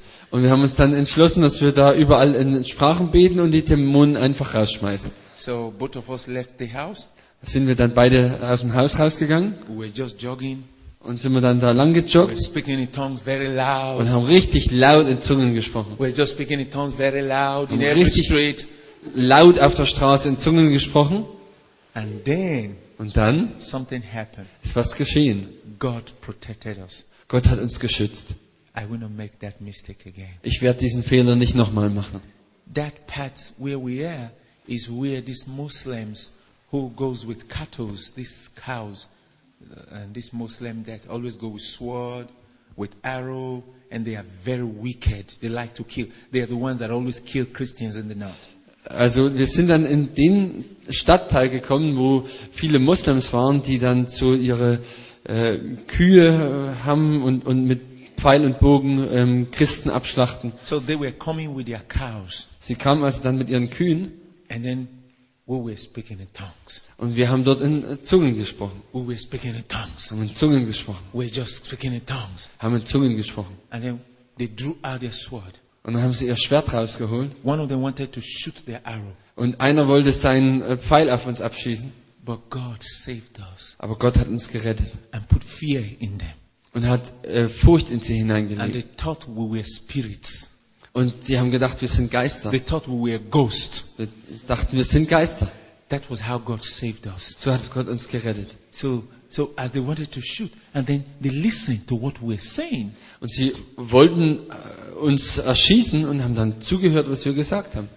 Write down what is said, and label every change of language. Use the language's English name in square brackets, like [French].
[German] Und wir haben uns dann entschlossen, dass wir da überall in Sprachen beten und die Dämonen einfach rausschmeißen. [English] So both of us left the house. [German] Sind wir dann beide aus dem Haus rausgegangen. [English] We were just jogging. [German] Und sind wir dann da lang gejoggt. [English] We were speaking in tongues very loud. [German] Und haben richtig laut in Zungen gesprochen. [English] We were just speaking in tongues very loud in every street. [German] Laut auf der Straße in Zungen gesprochen. [English] And then, [German] und dann [English] something happened. [German] Ist was geschehen. [English] God protected us. [German] Gott hat uns geschützt. [English] I will not make that mistake again. [German] Ich werde diesen Fehler nicht nochmal machen. [English] That path where we are is where these Muslims who goes with cattle, these cows, and this Muslim that always go with sword, with arrow, and they are very wicked. They like to kill. They are the ones that always kill Christians in the north. [German] Also wir sind dann in den Stadtteil gekommen, wo viele Moslems waren, die dann so ihre Kühe haben und mit Pfeil und Bogen Christen abschlachten. [English] So they were coming with their cows. [German] Sie kamen also dann mit ihren Kühen. [English] And then we were speaking in tongues. [German] Und wir haben dort in Zungen gesprochen. [English] We were speaking in tongues. [German] Haben in Zungen gesprochen. [English] We were just speaking in tongues. [German] Haben in Zungen gesprochen. [English] And then they drew out their sword. [German] Und dann haben sie ihr Schwert rausgeholt. [English] One of them wanted to shoot their arrow. [German] Und einer wollte seinen Pfeil auf uns abschießen. [English] But God saved us. [German] Aber Gott hat uns gerettet. [English] And put fear in them. [German] Und hat Furcht in sie hineingelegt. [English] And they thought we were spirits. [German] Und die haben gedacht, wir sind Geister. [English] They thought we were ghosts. [German] Wir dachten, wir sind Geister. [English] That was how God saved us. [German] So hat Gott uns gerettet. [English] So as they wanted to shoot, and then they listened to what we were saying. [German] Und sie wollten uns erschießen und haben dann zugehört, was wir gesagt haben.